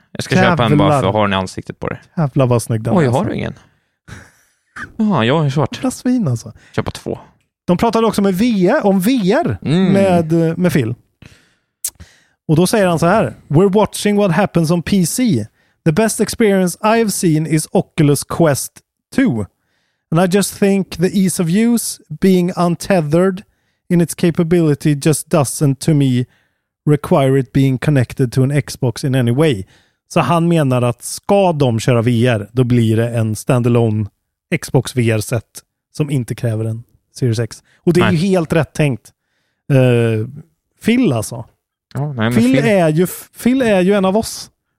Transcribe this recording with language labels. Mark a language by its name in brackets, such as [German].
[Swedish] Jag ska köpa en bara för att ha den i ansiktet på dig. Jävlar vad snygg den är. Oj, har du ingen? Ja, jag är svart. Jävla svin alltså. Köpa två. De pratade också med VR med Phil. Och då säger han så här: [English] we're watching what happens on PC. The best experience I've seen is Oculus Quest 2. And I just think the ease of use, being untethered in its capability, just doesn't to me require it being connected to an Xbox in any way. [Swedish] Så han menar att ska de köra VR, då blir det en standalone Xbox VR-set som inte kräver en Series X. Och det är ju helt rätt tänkt. Phil alltså. Oh, nej, Phil är ju en av oss.